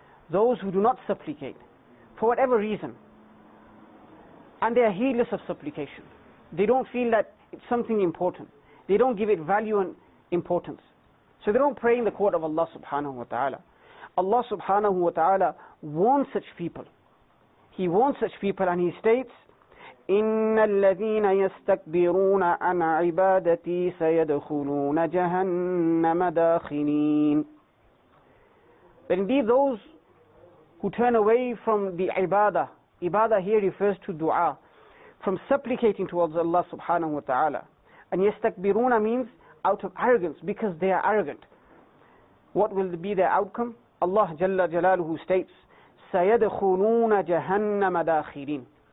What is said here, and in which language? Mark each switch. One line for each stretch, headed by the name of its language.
English: Those who do not supplicate for whatever reason. And they are heedless of supplication. They don't feel that it's something important. They don't give it value and importance. So they don't pray in the court of Allah subhanahu wa ta'ala. Allah subhanahu wa ta'ala warns such people.
Arabic: He warns such people and he states, إِنَّ الَّذِينَ يَسْتَكْبِرُونَ عَنْ عِبَادَتِي سَيَدْخُلُونَ جَهَنَّمَ دَاخِلِينَ.
English: But indeed those who turn away from the ibadah, ibadah here refers to dua, from supplicating towards Allah subhanahu wa ta'ala. And yastakbiruna means out of arrogance, because they are arrogant. What will be their outcome? Allah Jalla Jalaluhu states, سَيَدْخُلُونَ جَهَنَّمَ دَاخِلِينَ.